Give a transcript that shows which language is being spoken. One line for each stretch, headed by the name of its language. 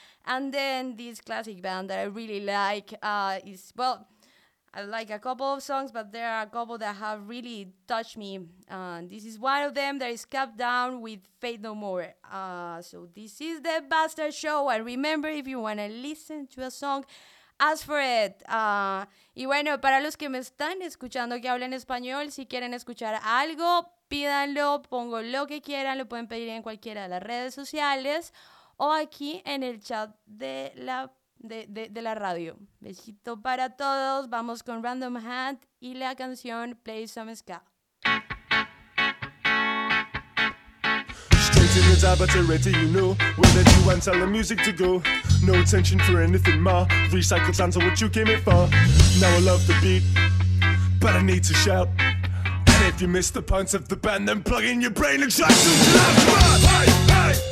English: And then this classic band that I really like is, well, I like a couple of songs, but there are a couple that have really touched me. This is one of them that is Cap Down with Faith No More. So this is the Bastard Show. And remember, if you want to listen to a song, ask for it.
Spanish: Y bueno, para los que me están escuchando que hablan español, si quieren escuchar algo, pídanlo, pongo lo que quieran, lo pueden pedir en cualquiera de las redes sociales o aquí en el chat de la radio. Besito para todos, vamos con Random Hand y la canción Play Some Ska.
English: Ready, you know, when you want to tell the music to go. No attention for anything more. Recycled sounds are what you came here for. Now I love the beat, but I need to shout. And if you miss the points of the band, then plug in your brain and shout some loud.